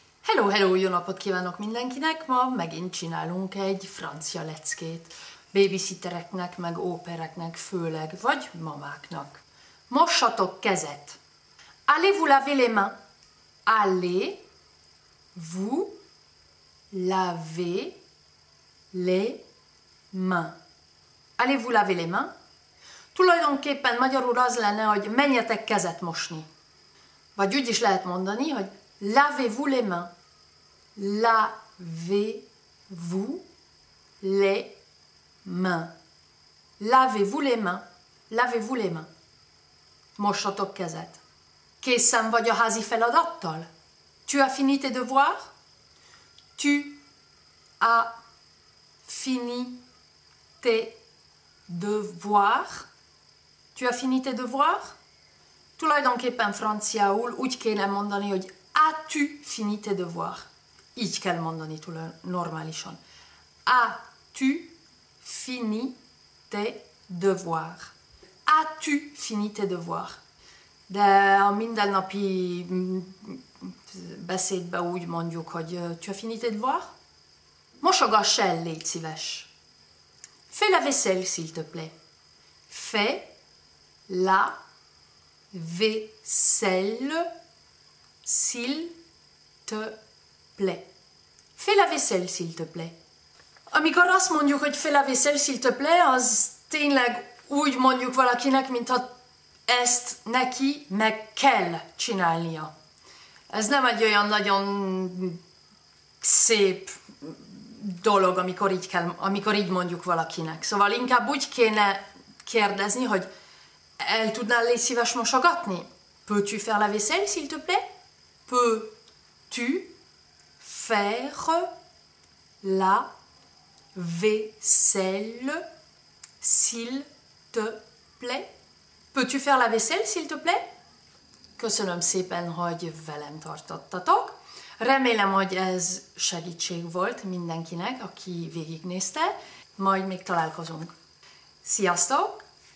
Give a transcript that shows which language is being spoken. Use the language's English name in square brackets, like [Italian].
[Hungarian] Hello, hello, jó napot kívánok mindenkinek! Ma megint csinálunk egy francia leckét. Babysittereknek, meg ópereknek főleg, vagy mamáknak. Mossatok kezet! [French] Allez-vous laver les mains? Allez-vous laver les mains? Allez-vous laver les mains? [Hungarian] Tulajdonképpen magyarul az lenne, hogy menjetek kezet mosni. Vagy úgy is lehet mondani, hogy [French] lavez-vous les mains? Lavez-vous les mains? Lavez-vous les mains? Lavez-vous les mains? [Hungarian] Mossatok kezet. Készen vagy a házi feladattal? [French] Tu as fini tes devoirs? Tu as fini tes devoirs? Tu as fini tes devoirs? [Hungarian] Tulajdonképpen franciául úgy kéne mondani, hogy [French] as-tu fini tes devoirs? [Hungarian] Így kell mondani normálisan. [French] As-tu fini tes devoirs? As-tu fini tes devoirs? [Hungarian] De a mindennapi beszédben úgy mondjuk, hogy [French] tu as fini tes devoirs? [Hungarian] Mosogass el, légy szíves. [French] Fais la vaisselle, s'il te plaît. Fais la vaisselle, s'il te plaît. Fais la vaisselle, s'il te plaît. [Hungarian] Amikor azt mondjuk, hogy [French] fais la vaisselle, s'il te plaît, [Hungarian] az tényleg úgy mondjuk valakinek, mintha ezt neki meg kell csinálnia. Ez nem egy olyan nagyon szép dolog, amikor így mondjuk valakinek. Szóval inkább úgy kéne kérdezni, hogy el tudnál légy szíves mosogatni? [French] Peux-tu faire la vaisselle, s'il te plaît? Peux-tu faire la vaisselle, s'il te plaît? Peux-tu faire la vaisselle, s'il te plaît? [Hungarian] Köszönöm szépen, hogy velem tartottatok. Remélem, hogy ez segítség volt mindenkinek, aki végignézte. Majd még találkozunk. Sziasztok!